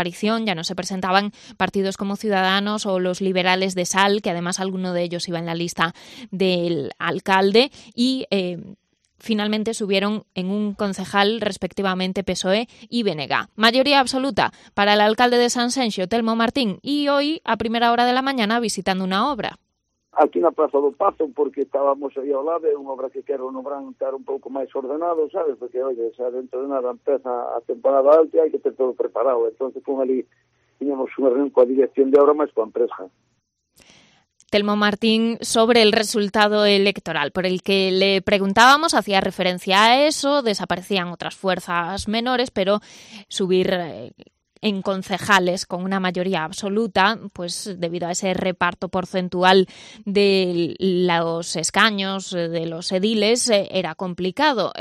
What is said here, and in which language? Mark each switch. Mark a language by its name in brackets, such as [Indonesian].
[Spanish] Ya no se presentaban partidos como Ciudadanos o los liberales de Sal, que además alguno de ellos iba en la lista del alcalde, y finalmente subieron en un concejal respectivamente PSOE y BNG. Mayoría absoluta para el alcalde de Sanxenxo, Telmo Martín, y hoy a primera hora de la mañana visitando una obra. [Galician] Aquí na Plaza do Pazo, porque estábamos aí ao lado, é unha obra que quero nombrar, estar un pouco máis ordenado, sabes? Porque, oye, xa dentro de nada empeza a temporada alta e hai que ter todo preparado. Entón, con ali, tiñamos unha reunión coa dirección de obra máis coa empresa. [Spanish] Telmo Martín, sobre el resultado electoral por el que le preguntábamos, hacía referencia a eso, desaparecían otras fuerzas menores, pero subir en concejales con una mayoría absoluta, pues debido a ese reparto porcentual de los escaños de los ediles, era complicado.